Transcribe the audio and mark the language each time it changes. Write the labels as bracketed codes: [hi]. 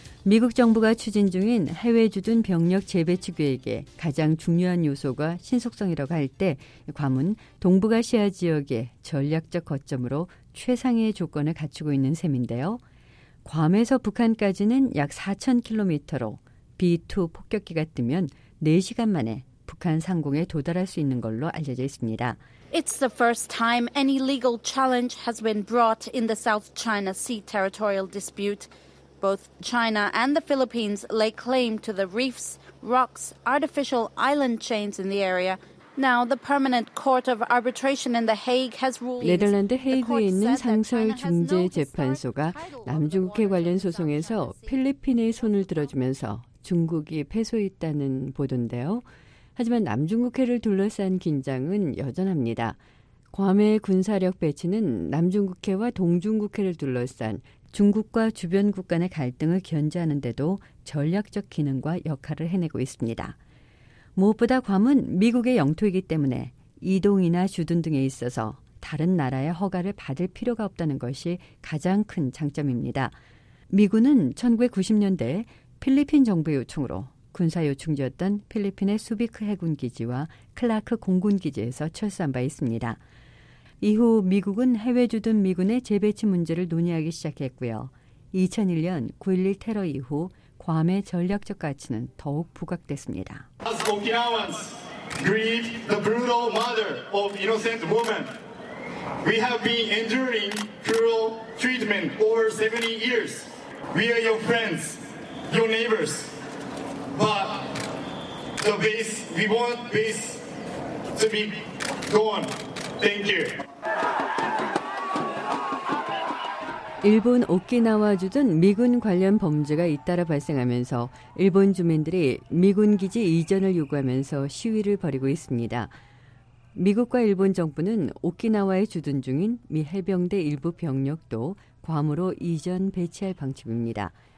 [ko] 미국 정부가 추진 중인 해외 주둔 병력 재배치 계획에 가장 중요한 요소가 신속성이라고 할 때 괌은 동북아시아 지역의 전략적 거점으로 최상의 조건을 갖추고 있는 셈인데요. 괌에서 북한까지는 약 4,000km로 B-2 폭격기가 뜨면 4시간 만에 북한 상공에 도달할 수 있는 걸로 알려져 있습니다. [en] It's the first time any legal challenge has been brought in the South China Sea territorial dispute. Both China and the Philippines lay claim to the reefs, rocks, artificial island chains in the area. Now the permanent court of arbitration in The Hague has ruled. [ko] 네덜란드 헤이그에 있는 상설 중재 재판소가 남중국해 관련 소송에서 필리핀의 손을 들어주면서 중국이 패소했다는 보도인데요. 하지만 남중국해를 둘러싼 긴장은 여전합니다. 괌의 군사력 배치는 남중국해와 동중국해를 둘러싼 중국과 주변국 간의 갈등을 견제하는 데도 전략적 기능과 역할을 해내고 있습니다. 무엇보다 괌은 미국의 영토이기 때문에 이동이나 주둔 등에 있어서 다른 나라의 허가를 받을 필요가 없다는 것이 가장 큰 장점입니다. 미군은 1990년대 필리핀 정부의 요청으로 군사 요충지였던 필리핀의 수비크 해군기지와 클라크 공군기지에서 철수한 바 있습니다. 이후 미국은 해외 주둔 미군의 재배치 문제를 논의하기 시작했고요. 2001년 9.11 테러 이후 괌의 전략적 가치는 더욱 부각됐습니다. [en] As Okinawans grieve the brutal murder of innocent women, we have been enduring cruel treatment over 70 years. We are your friends, your neighbors. But the base, we want base to be gone. Thank you. [ko] 일본 오키나와주 등 미군 관련 범죄가 잇따라 발생하면서 일본 주민들이 미군 기지 이전을 요구하면서 시위를 벌이고 있습니다. 미국과 일본 정부는 오키나와에 주둔 중인 미 해병대 일부 병력도 괌으로 이전 배치할 방침입니다.